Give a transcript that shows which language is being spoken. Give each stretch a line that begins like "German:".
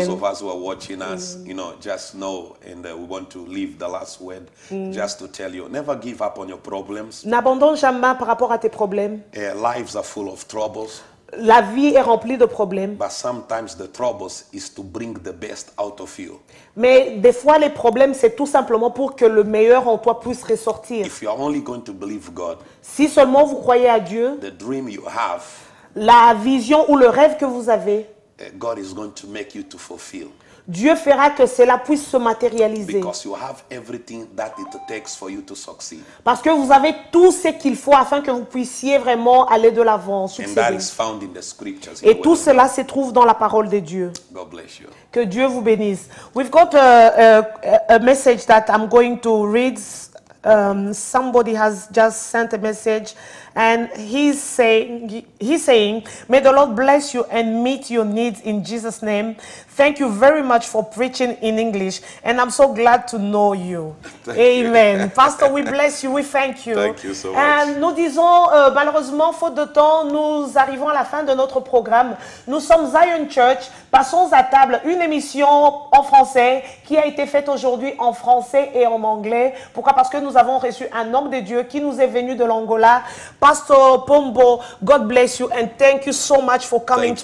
English: For those of us who are watching us, you know, just know and we want to leave the last word just to tell you, never give up on your problems.
French: N'abandonne jamais par rapport à tes problèmes.
English: Lives are full of troubles.
French: La vie est remplie de problèmes.
English: But sometimes the troubles is to bring the best out of you.
French: Mais des fois les problèmes c'est tout simplement pour que le meilleur en toi puisse ressortir.
English: If you are only going to believe God,
French: si seulement vous croyez à Dieu,
English: the dream you have,
French: la vision ou le rêve que vous avez,
English: God is going to make you to fulfill.
French: Dieu fera que cela puisse se matérialiser.
English: Because you have everything that it takes for you to succeed.
French: Parce que vous avez tout ce qu'il faut afin que vous puissiez vraiment aller de l'avant, succéder.
English: And that is found in the scriptures.
French: Et tout cela se trouve dans la parole de Dieu.
English: God bless you.
French: Que Dieu vous bénisse.
English: We've got a message that I'm going to read. Somebody has just sent a message And he's saying, may the Lord bless you and meet your needs in Jesus' name. Thank you very much for preaching in English. And I'm so glad to know you. Amen. Pastor, we bless you. We thank you. Thank you so much.
French: And nous disons, malheureusement, faute de temps, nous arrivons à la fin de notre programme. Nous sommes Zion Church. Passons à table une émission en français qui a été faite aujourd'hui en français et en anglais. Pourquoi? Parce que nous avons reçu un homme de Dieu qui nous est venu de l'Angola.
English: Pastor Pombo, God bless you and thank you so much for coming